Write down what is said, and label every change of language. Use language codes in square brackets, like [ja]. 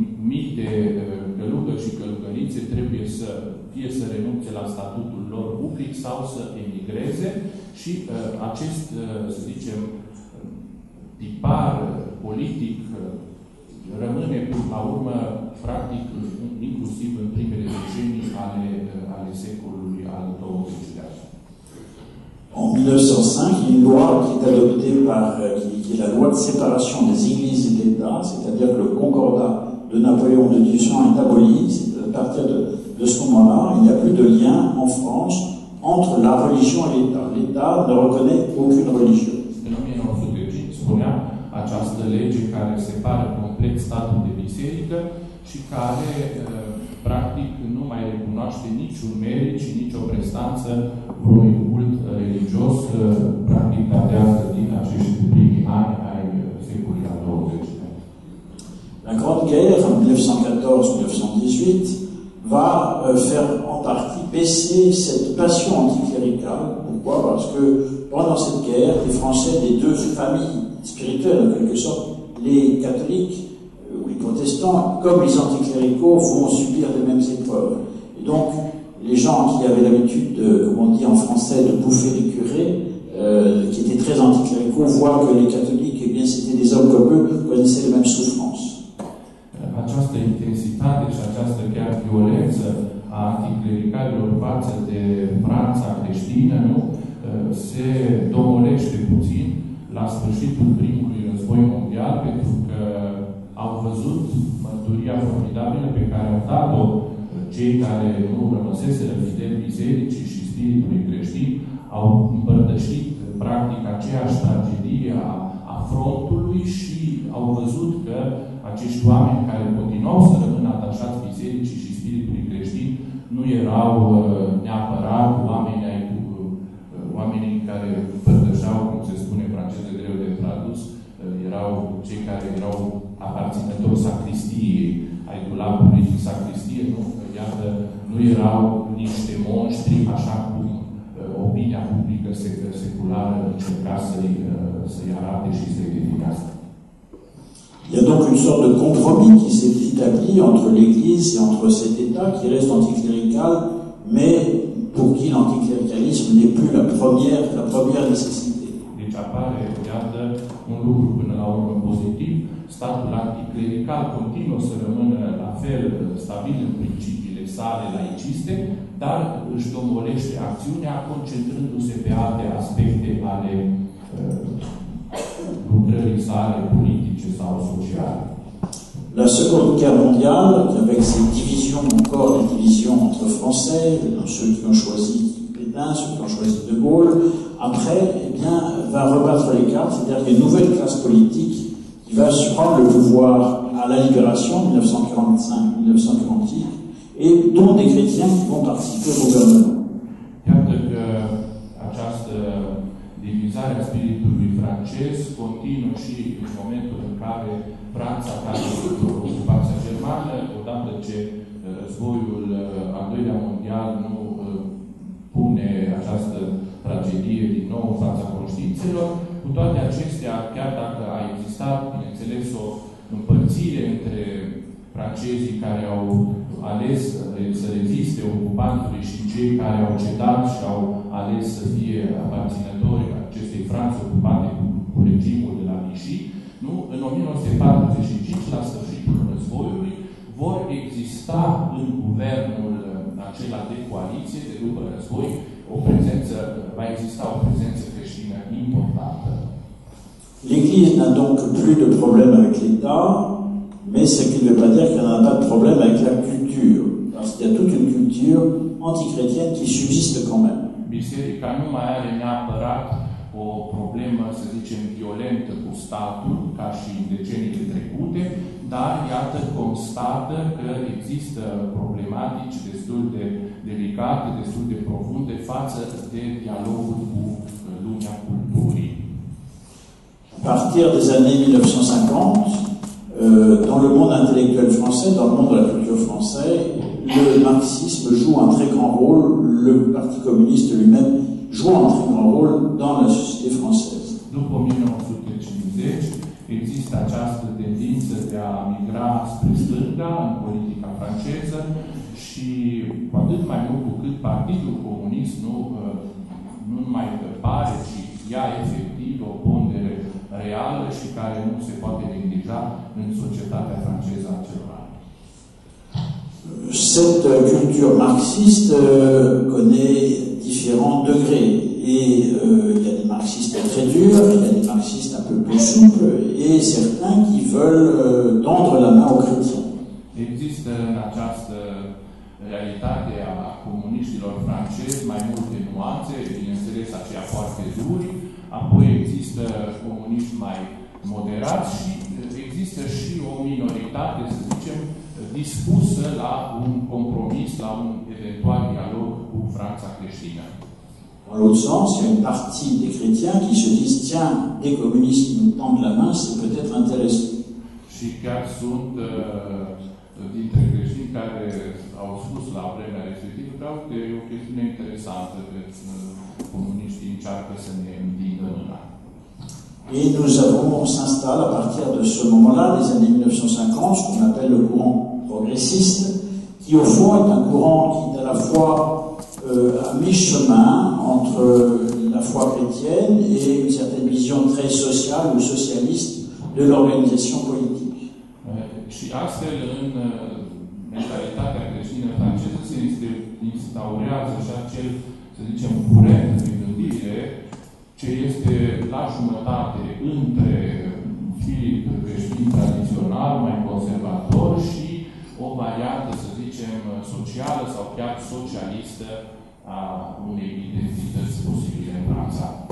[ro] mii de călugări și călugărițe trebuie să fie să renunțe la statutul lor public sau să emigreze și acest, să zicem, tipar politic rămâne până la urmă, practic, inclusiv în primele decenii ale secolului al XX-lea. [fr] En 1905, une loi qui est adoptée par qui est la loi de séparation des églises et d'État, c'est-à-dire que le concordat de Napoléon de 1800 est aboli. À partir de ce moment-là, il n'y a plus de lien en France entre la religion et l'État. L'État ne reconnaît aucune religion. En [ro] 1905, spunea această lege care separă complet statul de biserică și care practic nu mai recunoaște niciun merit și nicio prestanță vreunui cult religios practicatează din acești primii ani ai secolului al XX-lea. [fr] La Grande Guerre, en 1914-1918, va faire en partie baisser cette passion anticléricale. Pourquoi? Parce que pendant cette guerre, les Français des deux familles spirituelles, en quelque sorte, les catholiques ou les protestants, comme les anticléricaux, vont subir les mêmes épreuves. Et donc, les gens qui avaient l'habitude, comme on dit en français, de bouffer les curés, qui étaient très anticléricaux, voient que les catholiques, eh bien, c'était des hommes comme eux, connaissaient les mêmes souffrances. [ro] Această intensitate și această chiar violență a anticlericalilor față de Franța creștină, nu, se domolește puțin la sfârșitul primului război mondial, pentru că au văzut mărturia formidabilă pe care au dat-o cei care nu rămăseseră fidel bisericii și spiritului creștin, au împărtășit practic aceeași tragedie a frontului și au văzut că acești oameni care continuau să rămână atașați bisericii și spiritului creștin nu erau neapărat oamenii care împărtășeau, cum se spune în franceză, greu de tradus, erau cei care erau aparținători sacristiei, ai dulapului din sacristie, nu? Iată, nu erau niște monștri, așa cum opinia publică seculară încerca să-i arate și să-i definească. [fr] Il y a donc une sorte de compromis qui s'est établi entre l'Église et entre cet État qui reste anticlérical, mais pour qui l'anticléricalisme n'est plus la première nécessité. [ro] Deci apare, iată, un lucru până la urmă pozitiv. Statul anticlerical continuă să rămână la fel stabil în principiile sale laiciste, dar își domolește acțiunea concentrându-se pe alte aspecte ale lucrării sale politice sau sociale. [fr] La Seconde Guerre mondiale, avec ses divisions, encore des divisions entre Français, ceux qui ont choisi Pétain, ceux qui ont choisi De Gaulle, après, eh bien, va rebattre les cartes, c'est-à-dire qu'il y a une nouvelle classe politique qui va prendre le pouvoir à la Libération, 1945-1946, et dont des chrétiens vont participer au gouvernement. [ro] Iată că această divizare a spiritului francez continuă și în momentul în care Franța face ocupația germană, odată ce războiul al doilea mondial nu pune această tragedie din nou în fața conștiințelor. Cu toate acestea, chiar dacă a existat, bineînțeles, o împărțire între francezii care au ales să reziste ocupantului și cei care au cedat și au ales să fie aparținători acestei Franțe ocupate cu regimul de la Vichy, nu? În 1945, la sfârșitul războiului, vor exista în guvernul acela de coaliție, de după război, o prezență, va exista o prezență creștină importantă. [fr] L'Église n'a donc plus de problème avec l'État, mais ce qui ne veut pas dire qu'elle n'a pas de problème avec la culture. Parce qu'il y a toute une culture antichrétienne qui subsiste quand même. [ro] Biserica nu mai are neapărat o problemă, să zicem, violentă cu statul, ca și în deceniile trecute, dar iată constată că există problematici destul de delicate, destul de profunde față de dialogul cu lumea culturii. [fr] À partir des années 1950, dans le monde intellectuel français, dans le monde de la culture française, le marxisme joue un très grand rôle, le Parti communiste lui-même joue un très grand rôle dans la société française. [ro] După 1950, există această tendință de a migra spre stânga în politica franceză și cu atât mai mult cu cât Partidul Comunist nu mai pare, ci ia efectiv o pondere reală și care nu se poate neglija în societatea franceză acelora. [fr] Cette culture marxiste connaît différents degrés. Et il y a des marxistes très durs, il y a des marxistes un peu plus souples, et certains qui veulent tendre la main aux chrétiens. [ro] Existe en această realitate a comuniștilor francezi mai multe nuanțe, bineînțeles aceia foarte duri, apoi există comuniști mai moderați și există și o minoritate, să zicem, dispusă la un compromis, la un eventual dialog cu Franța creștină. În [fr] l'autre sens, il y a une partie des chrétiens qui se disent, tiens, les communistes nous tendent la main, c'est peut-être intéressant. [ro] Și chiar sunt dintre creștini care au spus la vremea respectivă, vreau că e o chestiune interesantă, pentru că comuniștii încearcă să ne îndingă mâna. [fr] Et nous avons, on s'installe à partir de ce moment-là, des années 1950, ce qu'on appelle le courant progressiste, qui au fond est un courant qui est à la fois à mi-chemin entre la foi chrétienne et une certaine vision très sociale ou socialiste de l'organisation politique. [ro] Și astfel, în mentalitatea creștină franceză, se instaurează așa cel, să zicem, curent de gândire, ce este la jumătate între filii creștin tradițional, mai conservator, și o variantă, să zicem, socială sau chiar socialistă a unei identități posibile în Franța.